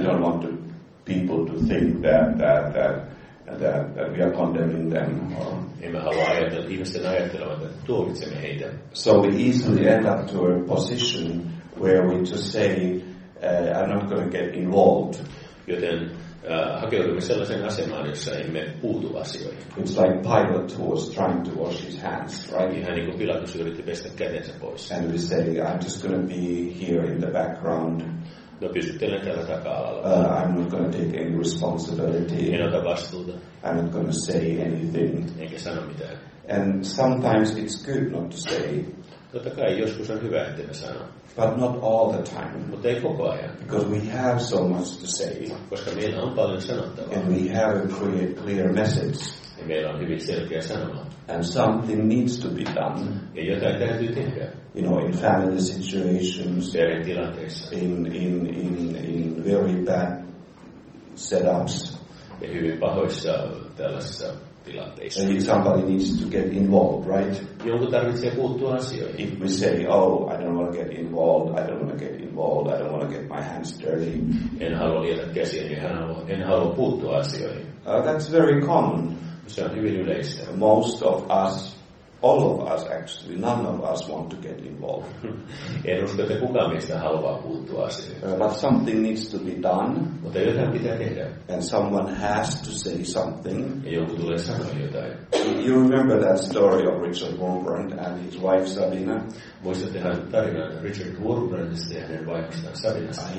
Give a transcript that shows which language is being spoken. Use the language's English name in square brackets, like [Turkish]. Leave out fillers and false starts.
[English] We don't want to people to think that we are condemning them. [Finnish] Emme halua ajatella, ihmisten ajattelevan, että tuomitsemme heitä. [English] So we easily end up to a position where we just say, I'm not going to get involved. [Finnish] Joten hakeudumme sellaiseen asemaan, jossa emme puutu asioihin. [English] It's like Pilate who was trying to wash his hands, right? [Finnish] Ihan niin kuin Pilatus yritti pestä kätensä pois. [English] And we say, I'm just going to be here in the background. [Finnish] No, pysyttelen täällä taka-alalla. [English] I'm not going to take any responsibility. [Finnish] En ota vastuuta. [English] I'm not going to say anything. [Finnish] Enkä sano mitään. [English] And sometimes it's good not to say. [Finnish] Totta kai joskus on hyvä, että me sanoo. [English] But not all the time. [Finnish] Mutta ei koko ajan. [English] Because we have so much to say. [Finnish] Koska meillä on paljon sanottavaa. [English] And we have a clear message. [Finnish] Ja meillä on hyvin selkeä sanoma. [English] And something needs to be done. [Finnish] Ja jotain täytyy tehdä. [English] You know, in family situations, in very bad setups, [Finnish] ja hyvin pahoissa tällaisissa tilanteissa. [English] And if somebody needs to get involved, right? [Finnish] Jonkun tarvitsee puuttua asioihin. [English] If we say, oh, I don't want to get involved, I don't want to get involved, I don't want to get my hands dirty. [Finnish] En halua liitä käsiä, en halua puuttua asioihin. [English] That's very common. [Finnish] Se on hyvin yleistä. [English] Most of us. All of us, actually, none of us want to get involved. [Finnish] En usko, että kukaan meistä haluaa puuttua asioihin. [English] But something needs to be done. [Finnish] Mutta jotain pitää tehdä. [English] And someone has to say something. [Finnish] Ja joku tulee sanoa jotain. [English] You remember that story of Richard Wurmbrand and his wife Sabina? [Finnish] Muistattehan tarinan Richard Wurmbrandista ja hänen vaimostaan Sabinasta.